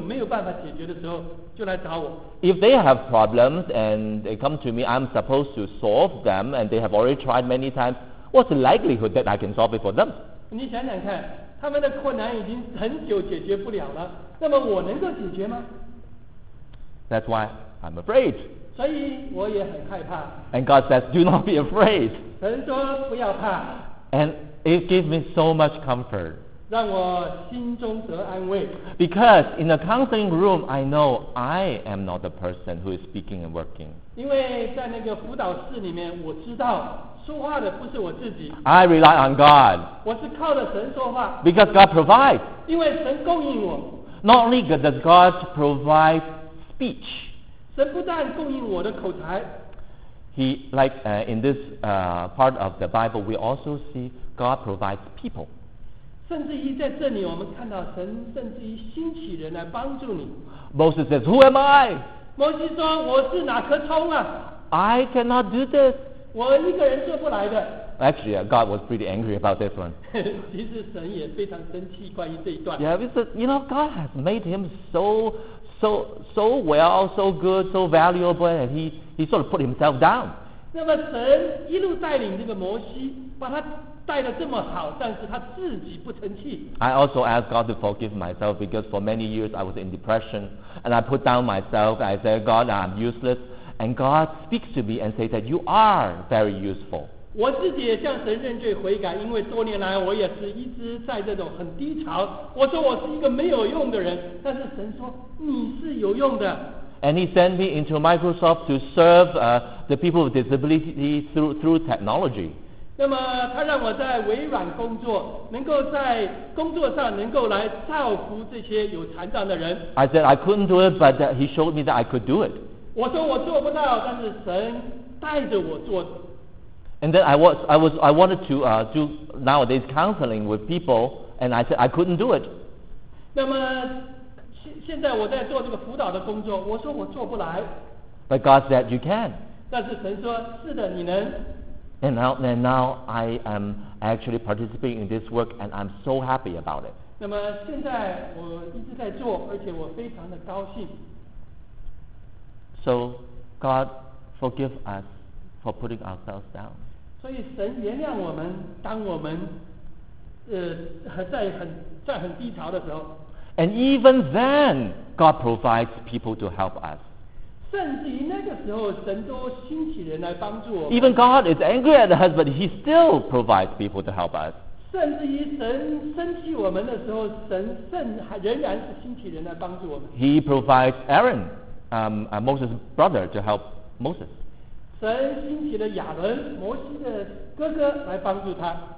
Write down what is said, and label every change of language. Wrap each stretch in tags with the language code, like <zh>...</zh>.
<en>If they have problems and they come to me, I'm supposed to solve them, and they have already tried many times, what's the likelihood that I can solve it for them?</en> <zh>你想想看，他们的困难已经很久解决不了了，那么我能够解决吗？</zh> <en>That's why I'm afraid.</en> <zh>所以我也很害怕。</zh> <en>And God says, do not be afraid.</en> <zh>神说不要怕。</zh> <en>And it gives me so much comfort.</en> <zh>让我心中得安慰。</zh> <en>Because in the counseling room, I know I am not the person who is speaking and working.</en> <zh>因为在那个辅导室里面，我知道说话的不是我自己。</zh> <en>I rely on God.</en> <zh>我是靠着神说话。</zh> <en>Because God provides.</en> <zh>因为神供应我。</zh> <en>Not only does God provide speech.</en> <zh>神不但供应我的口才。</zh> <en>He, in this part of the Bible, we also see God provides people.</en> <zh>甚至于在这里我们看到神甚至于兴起人来帮助你。</zh> <en>Moses says, who am I?</en> <zh>摩西说我是哪颗葱啊。</zh> <en>I cannot do this.</en> <zh>我一个人做不来的。</zh> <en>Actually, God was pretty angry about this one.</en> <zh>其实神也非常生气关于这一段。</zh> <en>Yeah, because, you know, God has made him so well, so good, so valuable, and he sort of put himself down.</en> <zh>那么神一路带领这个摩西把他带得这么好，但是他自己不成器。</zh> <en>I also asked God to forgive myself because for many years I was in depression and I put down myself. I said, God, I'm useless. And God speaks to me and says that you are very useful.</en> <zh>我自己也向神认罪悔改，因为多年来我也是一直在这种很低潮。我说我是一个没有用的人，但是神说你是有用的。</zh> <en>And he sent me into Microsoft to serve the people with disability through technology.</en> <zh>那么他让我在微软工作，能够在工作上能够来造福这些有残障的人。</zh> <en>I said I couldn't do it, but he showed me that I could do it.</en> <zh>我说我做不到，但是神带着我做。</zh> <en>And then I wanted to do nowadays counseling with people, and I said I couldn't do it.</en> <zh>那么现在我在做这个辅导的工作，我说我做不来。</zh> <en>But God said you can.</en> <zh>但是神说是的，你能。</zh> <en>And now I am actually participating in this work, and I'm so happy about it.</en> <zh>那么现在我一直在做，而且我非常的高兴。</zh> <en>So God forgive us for putting ourselves down.</en> <zh>所以神原谅我们，当我们在很低潮的时候。</zh> <en>And even then, God provides people to help us.</en> <zh>甚至于那个时候，神都兴起人来帮助我们。</zh> <en>Even God is angry at us, but He still provides people to help us.</en> <zh>甚至于神生气我们的时候，神仍然是兴起人来帮助我们。</zh> <en>He provides Aaron, Moses' brother, to help Moses.</en> <zh>神兴起了亚伦，摩西的哥哥来帮助他。</zh>